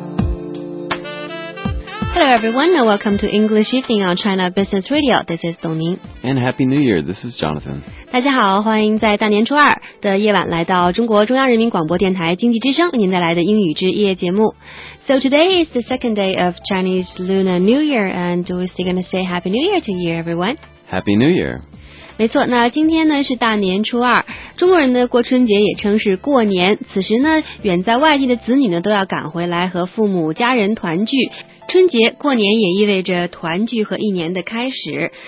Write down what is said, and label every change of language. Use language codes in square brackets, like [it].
[en] everyone, and welcome to English Evening on China Business Radio. This is Dong Ning. And Happy New Year, this is Jonathan. [zh] 大家好，欢迎在大年初二的夜晚来到中国中央人民广播电台经济之声为您带来的英语之夜节目。 [en] So today is the second day of Chinese Lunar New Year, and we're going to say Happy New Year to you, everyone. Happy New Year. [zh] 没错，那今天呢是大年初二，中国人的过春节也称是过年。此时呢，远在外地的子女呢都要赶回来和父母家人团聚。春节过年也意味着团聚和一年的开始。